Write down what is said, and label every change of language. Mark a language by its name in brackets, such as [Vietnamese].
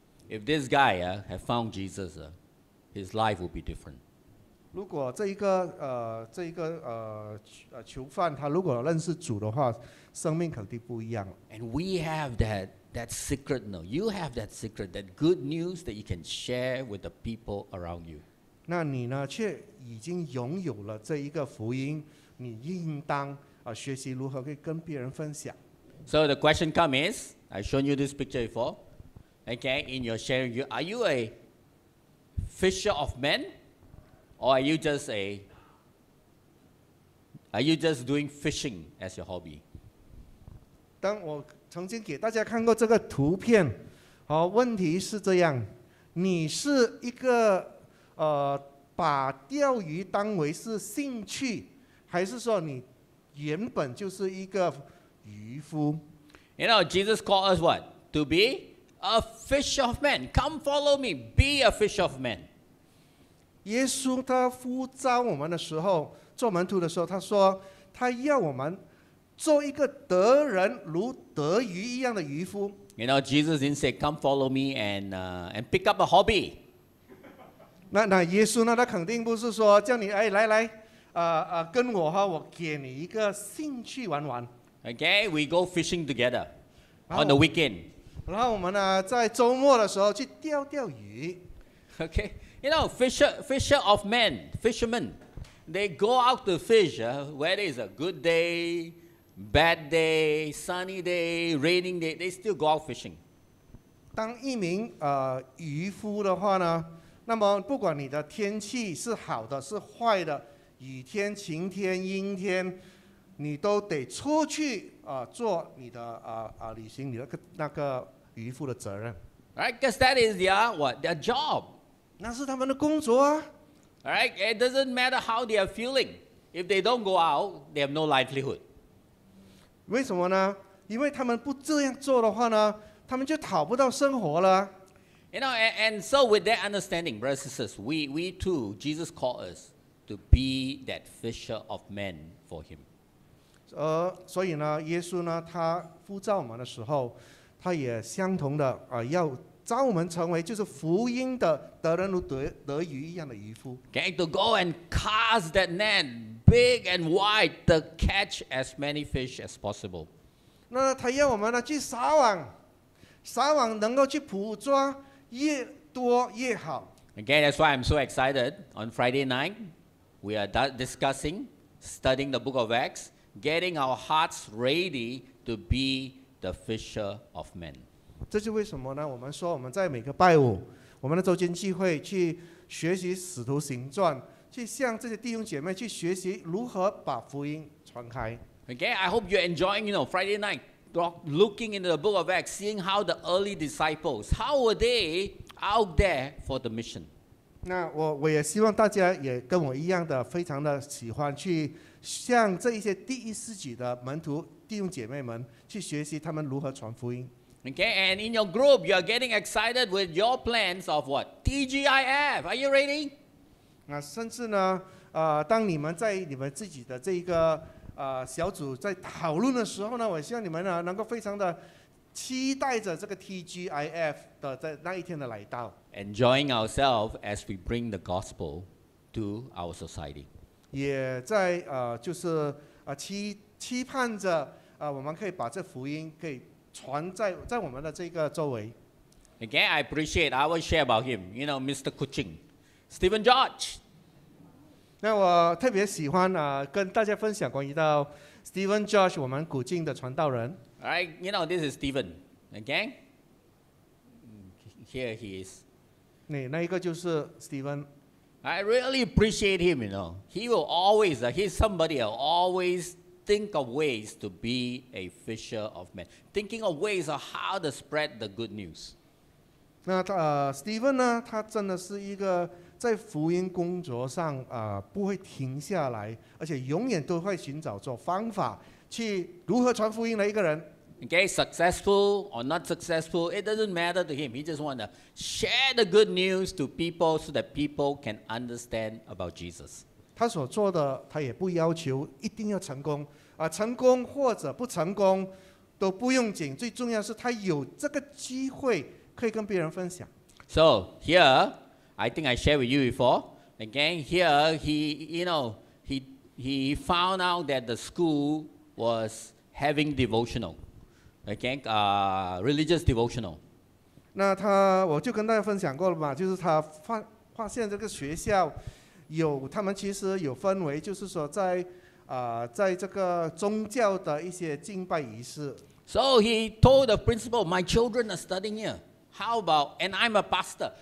[English] If this guy had found Jesus, his life would be different. [Chinese] 如果这一个囚犯他如果认识主的话，生命肯定不一样。 [English] And we have that secret, no? You have that secret, that good news that you can share with the people around you. [Chinese] 那你呢？却已经拥有了这一个福音，你应当。学习如何可以跟别人分享。 [English] So the question comes is, I've shown you this picture before. Okay, in your sharing, are you a fisher of men, or are you just a Are you just doing fishing as your hobby? [Chinese] 当我曾经给大家看过这个图片，好，问题是这样，你是一个把钓鱼当为是兴趣，还是说你原本就是一个渔夫？ [English] You know, Jesus called us what? To be a fish of men. Come follow me. Be a fish of men. [Chinese] 耶稣他呼召我们的时候，做门徒的时候，他说他要我们做一个得人如得鱼一样的渔夫。 [English] You know, Jesus didn't say, come follow me and pick up a hobby. [Chinese] 那耶稣呢，他肯定不是说叫你，哎，来来。跟我哈，我给你一个兴趣玩玩。 [English] Okay, we go fishing together on the weekend. [Chinese] 然后我们呢，在周末的时候去钓钓鱼。 [English] Okay, you know, fisher of men, fishermen, they go out to fish. Whether it's a good day, bad day, sunny day, raining day, they still go out fishing. [Chinese] 当一名渔夫的话呢，那么不管你的天气是好的是坏的。雨天、晴天、阴天，你都得出去做你的履行你的那个渔夫的责任。 [English] Right, because that is their job. [Chinese] 那是他们的工作啊。 [English] Right, it doesn't matter how they are feeling. If they don't go out, they have no livelihood. [Chinese] 为什么呢？因为他们不这样做的话呢，他们就讨不到生活了。 [English] You know, and so with that understanding, brothers and sisters, we too, Jesus called us. To be that fisher of men for him. [Chinese] 所以呢，耶稣呢，他呼召我们的时候，他也相同的要召我们成为就是福音的得人如得鱼一样的渔夫。 [English] Okay, to go and cast that net big and wide to catch as many fish as possible. [Chinese] 那他要我们呢去撒网，撒网能够去捕捉越多越好。 [English] Okay, that's why I'm so excited on Friday night. We are discussing, studying the book of Acts, getting our hearts ready to be the fisher of men. [Chinese] 这是为什么呢？我们说我们在每个拜五，我们的周间聚会去学习《使徒行传》，去向这些弟兄姐妹去学习如何把福音传开。 [English] Okay, I hope you're enjoying, you know, Friday night, looking into the book of Acts, seeing how the early disciples, how were they out there for the mission? [Chinese] 那我也希望大家也跟我一样的非常的喜欢去向这一些第一世纪的门徒弟兄姐妹们去学习他们如何传福音。 [English] Okay, and in your group, you are getting excited with your plans of what? TGIF, are you ready? [Chinese] 那甚至呢，当你们在你们自己的这一个小组在讨论的时候呢，我希望你们呢能够非常的期待着这个 TGIF 的在那一天的来到。 [English] Enjoying ourselves as we bring the gospel to our society. [Chinese] 也在就是期盼着我们可以把这福音可以传在我们的这个周围。 [English] Again, I appreciate. I will share about him. You know, Mr. Kuching, Stephen George. [Chinese] 那我特别喜欢跟大家分享关于到 Stephen George， 我们古晋的传道人。 [English] Right, you know, this is Stephen. Again, here he is. [Chinese] 那一个就是 Stephen. [English] I really appreciate him, you know. He will always, he's somebody who always think of ways to be a fisher of men. Thinking of ways of how to spread the good news. [Chinese] 那Stephen 呢，他真的是一个在福音工作上不会停下来，而且永远都会寻找做方法去如何传福音的一个人。 [English] Okay, successful or not successful, it doesn't matter to him. He just wants to share the good news to people so that people can understand about Jesus. [Chinese] 他所做的，他也不要求一定要成功，成功或者不成功都不用紧。最重要是他有这个机会可以跟别人分享。 [English] So here, I think I shared with you before. Again, here he found out that the school was having devotional. Okay, religious devotional. [Chinese] 那他我就跟大家分享过了嘛，就是他发现这个学校有他们其实有分为，就是说在这个宗教的一些敬拜仪式。 [English] So he told the principal, my children are studying here. How about and I'm a pastor.